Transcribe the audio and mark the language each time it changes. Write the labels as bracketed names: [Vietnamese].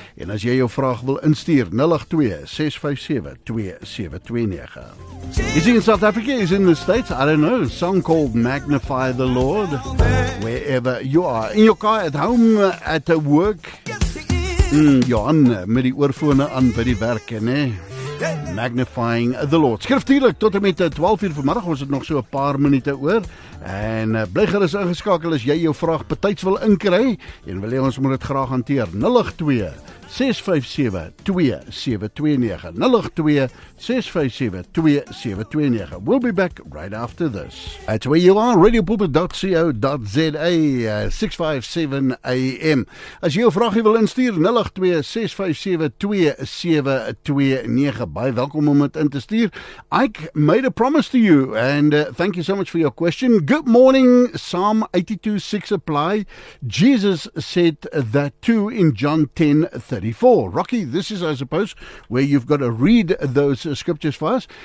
[Afrikaans] En as jy jou vraag wil instuur, 082-657-2729. [English] Is he in South Africa? Is he in the States? I don't know. A song called Magnify the Lord. Wherever you are, in your car, at home, at work. [Afrikaans] Johan, met die oorfone aan by die werk, nê? Magnifying the Lord. Skriftuurlik, tot en met 12 uur vanmiddag, ons het nog so 'n paar minute oor. En bly gerus ingeskakel as jy jou vraag betyds wil inkry. En wil jy, ons moet dit graag hanteer. 082-657-2729. [English] 082-657-2729. We'll be back right after this. That's where you are, radiopulpit.co.za, 657 AM. [Afrikaans] As jy jou vraagie wil instuur, 082-657-2729. Baie welkom om dit in te stuur. [English] Ike made a promise to you, and thank you so much for your question. Good morning, Psalm 82:6 apply. Jesus said that too in John 10:34. Rocky, this is, I suppose, where you've got to read those scriptures for us.